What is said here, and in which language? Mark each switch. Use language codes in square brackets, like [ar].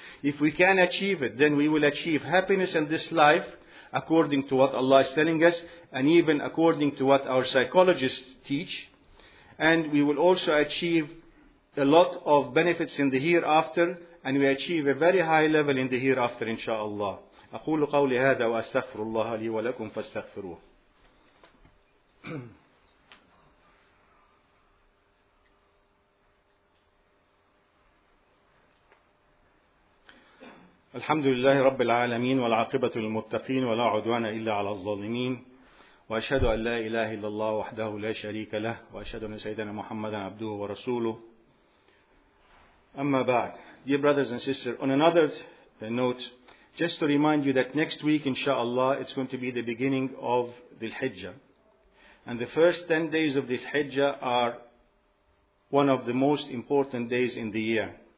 [en] If we can achieve it, then we will achieve happiness in this life according to what Allah is telling us, and even according to what our psychologists teach. And we will also achieve a lot of benefits in the hereafter, and we achieve a very high level in the hereafter, inshaAllah. [ar] أقول قولي هذا وأستغفر الله لي ولكم فاستغفروه. الحمد لله رب العالمين والعاقبة للمتقين ولا عدوان إلا على الظالمين وأشهد أن لا إله إلا الله وحده لا شريك له وأشهد أن سيدنا محمدا عبده ورسوله أما بعد. [en] Dear brothers and sisters, on another note, just to remind you that next week, inshallah, it's going to be the beginning of the Hijjah. And the first 10 days of the Hijjah are one of the most important days in the year.